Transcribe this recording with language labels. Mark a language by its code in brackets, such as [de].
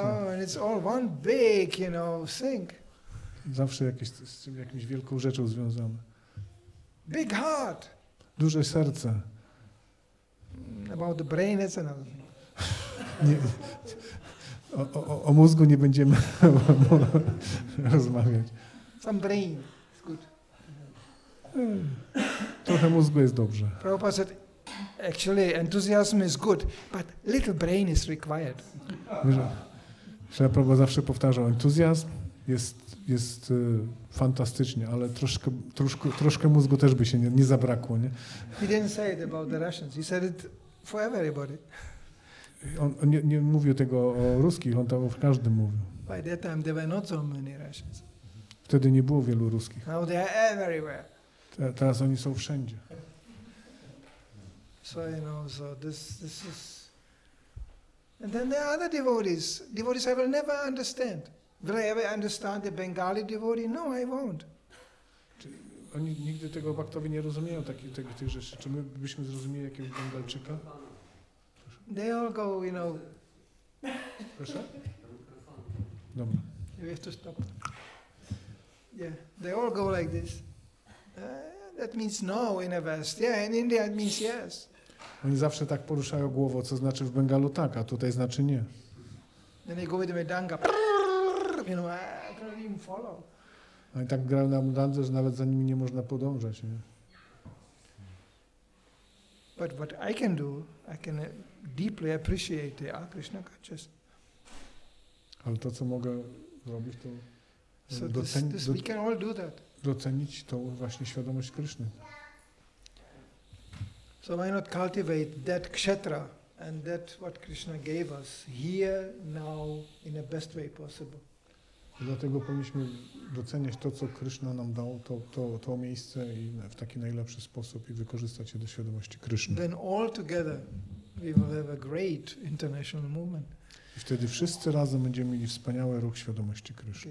[en] And it's all one big, you know, thing. [pl] Zawsze z jakąś wielką rzeczą związane. [en] Big heart. [pl] Duże serce. [en] About the brain, that's another thing. [pl] Nie. O mózgu nie będziemy rozmawiać. [en] Some brain is good. [pl] Trochę mózgu jest dobrze. [en] Prabhupada said, actually enthusiasm is good, but little brain is required. [pl] Że Prabhupada zawsze powtarzał, entuzjazm jest fantastyczny, ale troszkę mózgu też by się nie zabrakło. Nie? [en] He didn't say it about the Russians, he said it for everybody. [pl] On nie mówił tego o ruskich, on tam w każdym mówił. [en] By that time there were not so many Russians. [pl] Wtedy nie było wielu ruskich. [en] Now they are everywhere. [pl] Teraz oni są wszędzie. [en] So you know, so this is. And then there are other devotees I will never understand. Will I ever understand the Bengali devotee? No, I won't. [pl] Oni nigdy tego baktowi nie rozumieją tych rzeczy. Czy my byśmy zrozumieli jakiegoś Bengalczyka? [en] They all go, you know. [pl] Proszę? Dobra. [en] You have to stop. Yeah, they all go like this. That means no in a West. Yeah, in India it means yes. [pl] Oni zawsze tak poruszają głową, co znaczy w Bengalu tak, a tutaj znaczy nie. [en] Then they go with the medanga. Prrr, you know, I can't even follow. [pl] Oni tak grają na medandze, że nawet za nimi nie można podążać. Nie? [en] But what I can do, I can deeply appreciate the Krishna consciousness. [pl] Ale to, co mogę zrobić, to [en] so this we can all do that. [pl] Docenić tą właśnie świadomość Kryszny. [en] So why not cultivate that kshetra and that what Krishna gave us here, now, in the best way possible. [pl] I dlatego powinniśmy doceniać to, co Krishna nam dał, to miejsce i w taki najlepszy sposób i wykorzystać je do świadomości Krishna. [en] Then all together we will have a great international movement. [pl] I wtedy wszyscy razem będziemy mieli wspaniały ruch świadomości Krishna.